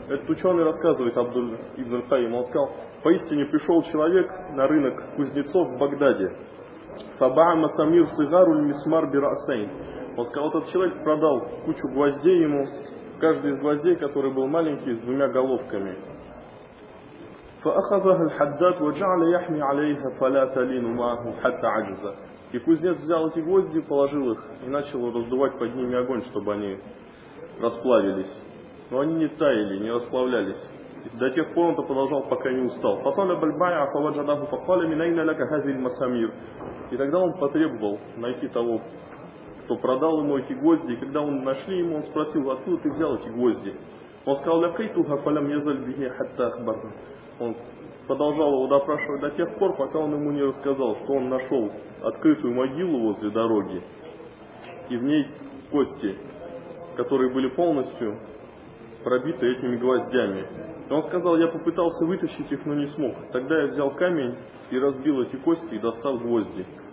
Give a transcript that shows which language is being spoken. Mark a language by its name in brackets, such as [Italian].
[Russian] Этот ученый рассказывает Абдуль Ибн Хайм. Он сказал, поистине пришел человек на рынок кузнецов в Багдаде. [Arabic] «Фаба'ама тамир сигаруль мисмар би расейн». [Russian] Он сказал, этот человек продал кучу гвоздей ему, каждый из гвоздей, который был маленький, с двумя головками. [Arabic] فأخذها الحداد وجعل يحمي عليها فلا تلين معه حتى عجز. [Russian] И кузнец взял эти гвозди, положил их и начал раздувать под ними огонь, чтобы они расплавились. Но они не таяли, не расплавлялись. До тех пор он это продолжал, пока не устал. [Arabic] فطلب البائع فوجده فقال من أين لك هذه المسامير. [Russian] И тогда он потребовал найти того, кто продал ему эти гвозди. И когда он нашли ему, он спросил, откуда ты взял эти гвозди. Он сказал, [Arabic] لقيتها فلم يزل بها حتى أخبرني. [Russian] Он продолжал его допрашивать до тех пор, пока он ему не рассказал, что он нашел открытую могилу возле дороги, и в ней кости, которые были полностью пробиты этими гвоздями. И он сказал, я попытался вытащить их, но не смог. Тогда я взял камень и разбил эти кости и достал гвозди.